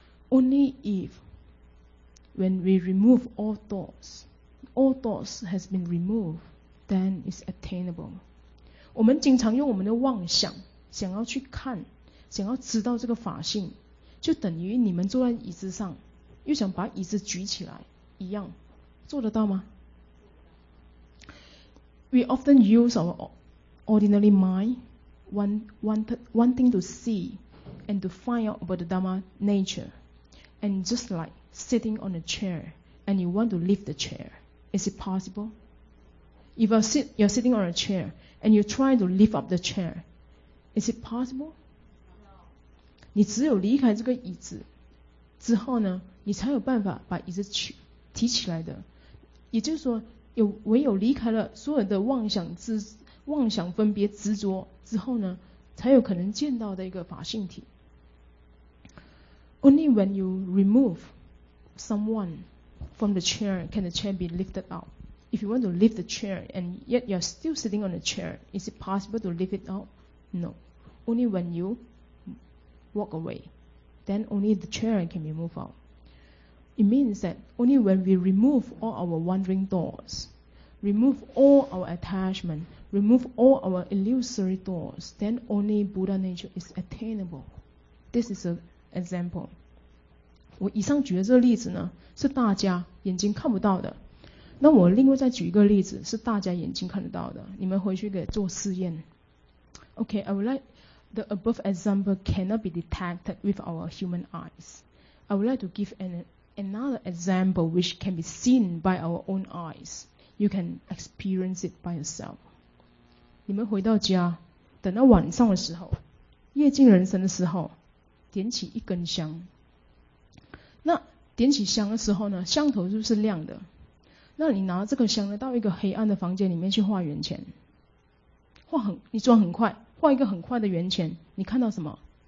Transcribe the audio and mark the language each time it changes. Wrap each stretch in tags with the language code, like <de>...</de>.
<en>Only if, when we remove all thoughts has been removed, then it's attainable.</en> <zh>我们经常用我们的妄想，想要去看，想要知道这个法性，就等于你们坐在椅子上，又想把椅子举起来一样，做得到吗？</zh> <en>We often use our ordinary mind. Wanting to see and to find out about the Dharma nature. And just like sitting on a chair and you want to lift the chair. Is it possible? If you're sitting on a chair and you try to lift up the chair, is it possible?</en> <zh>你只有离开这个椅子之后呢，你才有办法把椅子提起来的。也就是说，唯有离开了所有的妄想分别执着之后呢，才有可能见到的一个法性体。</zh> <en>Only when you remove someone from the chair can the chair be lifted out. If you want to lift the chair and yet you're still sitting on the chair, is it possible to lift it out? No. Only when you walk away, then only the chair can be moved out. It means that only when we remove all our wandering thoughts, remove all our attachment,remove all our illusory thoughts, then only Buddha nature is attainable. This is an example.</en> <zh>我以上举的这个例子呢，是大家眼睛看不到的。那我另外再举一个例子，是大家眼睛看得到的。你们回去给做试验。</zh> <en>Okay, I would like the above example cannot be detected with our human eyes. I would like to give another example which can be seen by our own eyes. You can experience it by yourself.</en> <zh>你们回到家，等到晚上的时候，夜静人生的时候，点起一根香。那点起香的时候呢，香头是不是亮的？那你拿这个香呢，到一个黑暗的房间里面去画圆圈，你装很快，画一个很快的圆圈，你看到什么？</zh>